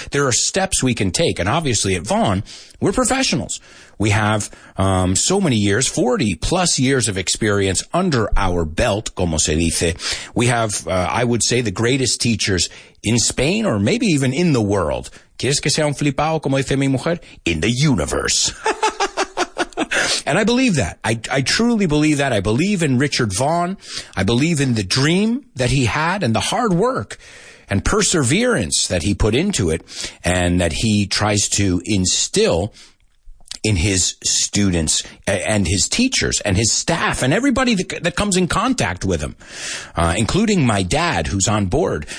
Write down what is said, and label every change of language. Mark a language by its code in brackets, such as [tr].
[en] There are steps we can take. And obviously at Vaughan, we're professionals. We have so many years, 40 plus years of experience under our belt, [es] como se dice. [en] We have, I would say, the greatest teachers in Spain or maybe even in the world. [es] ¿Quieres que sea un flipado, como dice mi mujer? [en] In the universe. And I believe that. I truly believe that. I believe in Richard Vaughan. I believe in the dream that he had and the hard work and perseverance that he put into it and that he tries to instill in his students and his teachers and his staff and everybody that comes in contact with him, including my dad, who's on board.